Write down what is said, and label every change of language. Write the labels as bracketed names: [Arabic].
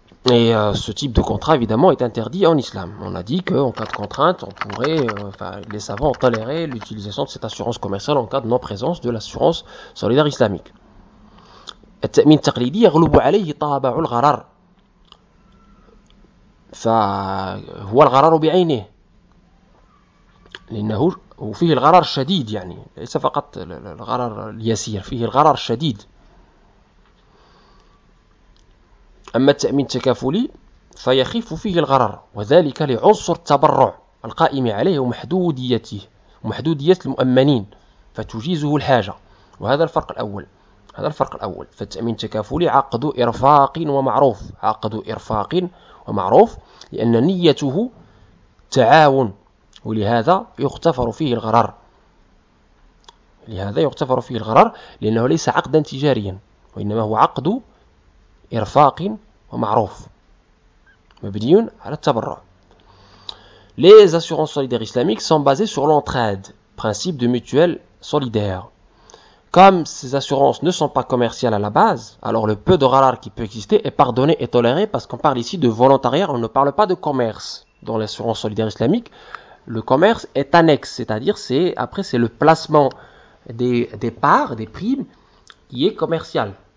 [French] Et ce type de contrat, évidemment, est interdit en islam. On a dit qu'en cas de contrainte, on pourrait, les savants ont toléré l'utilisation de cette assurance commerciale en cas de non-présence de l'assurance solidaire islamique. [Arabic] التأمين التقليدي يغلب عليه طابع الغرر. فهو الغرر بعينه. لأنه وفيه الغرر الشديد يعني. ليس فقط الغرر اليسير. فيه الغرر الشديد. أما التأمين التكافلي فيخف فيه الغرر وذلك لعنصر التبرع القائم عليه ومحدوديته ومحدودية المؤمنين فتجيزه الحاجة وهذا الفرق الأول هذا الفرق الأول فالتأمين التكافلي عقد إرفاق ومعروف عقد إرفاق ومعروف لأن نيته تعاون ولهذا يغتفر فيه الغرر لهذا يغتفر فيه الغرر لأنه ليس عقدا تجاريا وإنما هو عقد إرفاق ومعروف مبني على التبرع. [French] Les assurances solidaires islamiques sont basées sur l'entraide, principe de mutuelle solidaire. Comme ces assurances ne sont pas commerciales à la base, alors le peu de rarar qui peut exister est pardonné et toléré parce qu'on parle ici de volontariat, on ne parle pas de commerce. Dans l'assurance solidaire islamique, le commerce est annexe, c'est-à-dire c'est le placement des parts, des primes, qui est commercial.